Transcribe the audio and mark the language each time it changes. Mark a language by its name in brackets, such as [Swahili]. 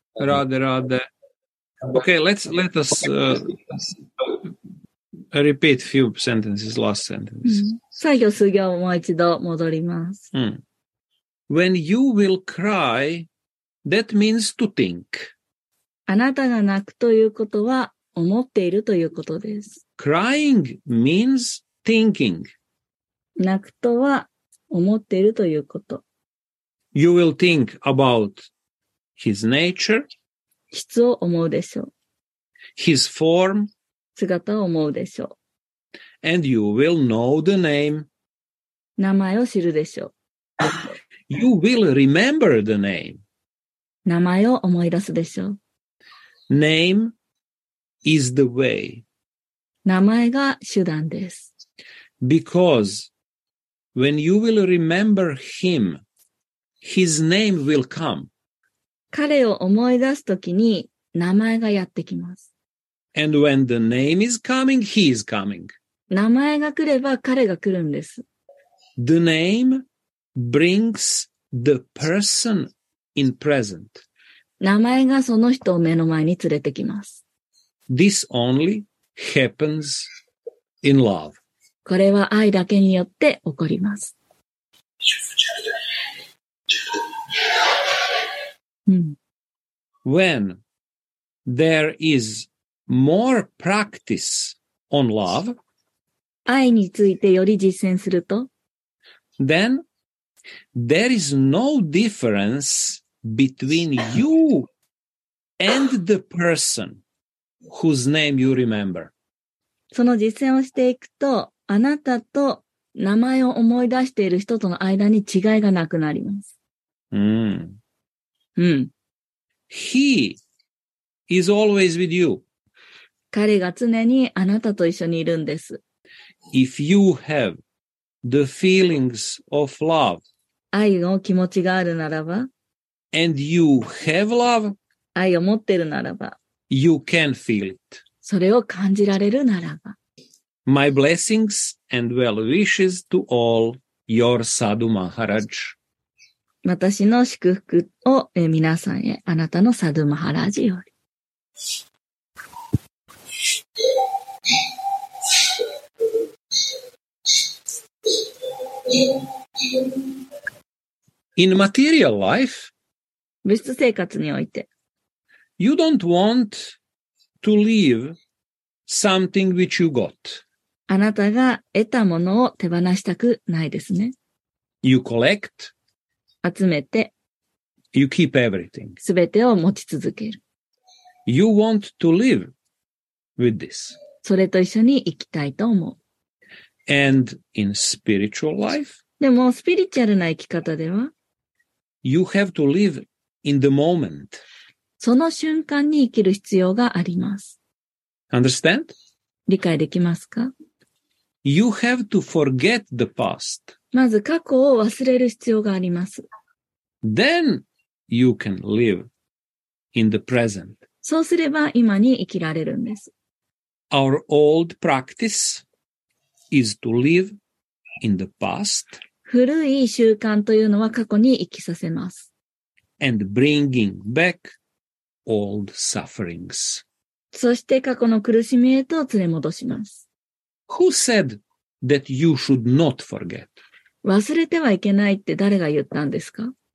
[English] Radhe Radhe. Okay, let us repeat a few sentences, last sentences. When you will cry, that means to think. [Japanese] あなたが泣くということは思っているということです。 [English] Crying means thinking. [Japanese] 泣くとは思っているということ。 [English] You will think about his nature. [Japanese] 質を思うでしょう。 [English] His form. [Japanese] 姿を思うでしょう。 [English] And you will know the name. [Japanese] 名前を知るでしょう。 [English] You will remember the name. [Japanese] 名前を思い出すでしょう。 [English] Name is the way. [Japanese] 名前が手段です。 [English] Because when you will remember him, his name will come. [Japanese] 彼を思い出すときに名前がやってきます。 [English] And when the name is coming, he is coming. [Japanese] 名前が来れば彼が来るんです。 [English] The name brings the person in present. [Japanese] 名前がその人を目の前に連れてきます。 [English] This only happens in love. [Japanese] これは愛だけによって起こります。 [English] When there is more practice on love, [Japanese] 愛についてより実践すると、 [English] then there is no difference between you and the person whose name you remember. [Japanese] その実践をしていくと、あなたと名前を思い出している人との間に違いがなくなります。 [English] He is always with you. [Japanese] 彼が常にあなたと一緒にいるんです。 [English] If you have the feelings of love, [Japanese] 愛の気持ちがあるならば、 [English] and you have love, [Japanese] 愛を持ってるならば、 [English] you can feel it. [Japanese] それを感じられるならば。 [English] My blessings and well wishes to all your Sadhu Maharaj. [Japanese] 私の祝福を皆さんへ、あなたの Sadhu Maharaj より。 [English] In material life, [Japanese] 物質生活において、 [English] you don't want to leave something which you got. [Japanese] あなたが得たものを手放したくないですね。 [English] You collect. [Japanese] 集めて。 [English] You keep everything. [Japanese] すべてを持ち続ける。 [English] You want to live with this. [Japanese] それと一緒に生きたいと思う。 [English] And in spiritual life, [Japanese] でもスピリチュアルな生き方では、 [English] You have to live in the moment. [Japanese] その瞬間に生きる必要があります。 [English] Understand? [Japanese] 理解できますか? [English] You have to forget the past. [Japanese] まず過去を忘れる必要があります。 [English] Then you can live in the present. [Japanese] そうすれば今に生きられるんです。 [English] Our old practice is to live in the past. [Japanese] 古い習慣というのは過去に生きさせます。 [English] And bringing back old sufferings. [Japanese] そして過去の苦しみへと連れ戻します。 [English] Who said that you should not forget? [Japanese] 忘れてはいけないって誰が言ったんですか?